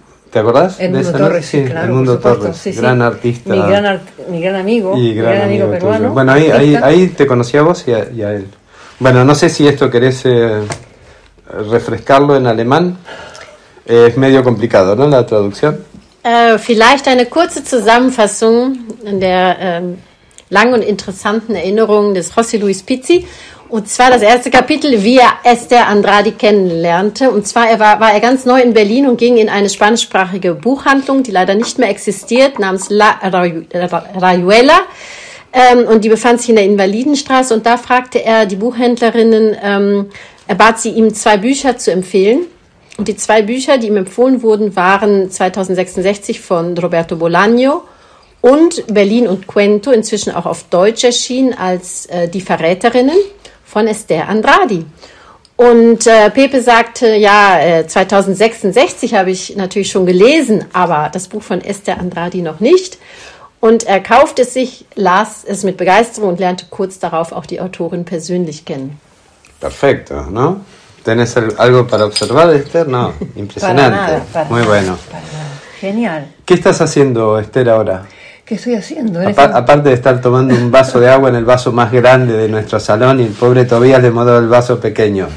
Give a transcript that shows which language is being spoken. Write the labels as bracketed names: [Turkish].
[Spanish] ¿Te acordás? Edmundo Torres, sí, gran artista. Mi gran amigo. Y gran amigo peruano. Tuyo. Bueno, ahí te conocí a vos y a él. Bueno, no sé si esto querés refrescarlo en alemán. Es medio complicado, ¿no? La traducción. [German] Vielleicht eine kurze Zusammenfassung der langen und interessanten Erinnerungen des José Luis Pizzi. Und zwar das erste Kapitel, wie er Esther Andrade kennenlernte. Und zwar, war er ganz neu in Berlin und ging in eine spanischsprachige Buchhandlung, die leider nicht mehr existiert, namens La Rayuela. Und die befand sich in der Invalidenstraße. Und da fragte er die Buchhändlerinnen, er bat sie, ihm zwei Bücher zu empfehlen. Und die zwei Bücher, die ihm empfohlen wurden, waren 2066 von Roberto Bolaño und Berlin und Cuento, inzwischen auch auf Deutsch erschienen, als Die Verräterinnen von Esther Andrade. Und Pepe sagte, ja, 2066 habe ich natürlich schon gelesen, aber das Buch von Esther Andrade noch nicht. Und er kaufte es sich, las es mit Begeisterung und lernte kurz darauf auch die Autorin persönlich kennen. Perfekt, ne? [Spanish] ¿Tenés algo para observar, Esther? No, impresionante. Para nada. Muy bueno. Genial. ¿Qué estás haciendo, Esther, ahora? ¿Qué estoy haciendo? Aparte de estar tomando un vaso de agua en el vaso más grande de nuestro salón y el pobre Tobías le mandó el vaso pequeño.